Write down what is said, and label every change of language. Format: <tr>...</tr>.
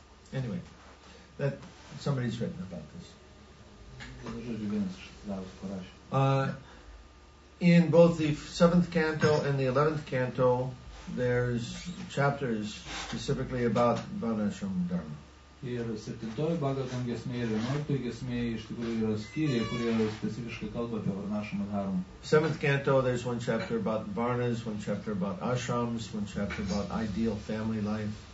<en>Anyway, that somebody's written about this. In both the 7th canto and the 11th canto, there's chapters specifically about Vanashram Dharma.</en> <lt>Ir 7 Bhagavatam giesmė ir 11 giesmė iš tikrųjų yra skyriai, kurie specifiškai kalba apie Varnashrama Dharma.</lt> <en>7th canto, there's one chapter about Varnas, one chapter about Ashrams, one chapter about ideal family life.</en>